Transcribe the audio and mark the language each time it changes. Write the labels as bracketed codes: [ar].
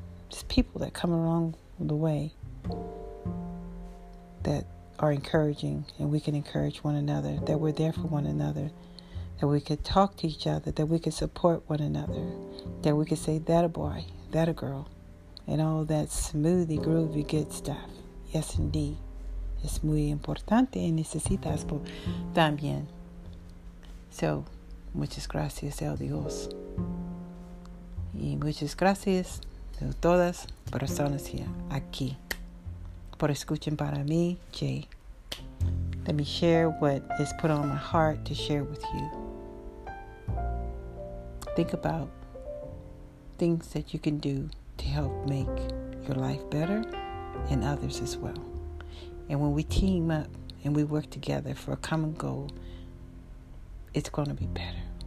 [en] just people that come along the way that are encouraging, and we can encourage one another, that we're there for one another, that we could talk to each other, that we could support one another, that we could say, that a boy, that a girl, and all that smoothy, groovy, good stuff. Yes, indeed. [es] Es muy importante y necesitas también. So, muchas gracias a Dios. Y muchas gracias a todas personas aquí. Por escuchar para mí, Jay. [en] Let me share what is put on my heart to share with you. Think about things that you can do to help make your life better and others as well. And when we team up and we work together for a common goal, it's going to be better.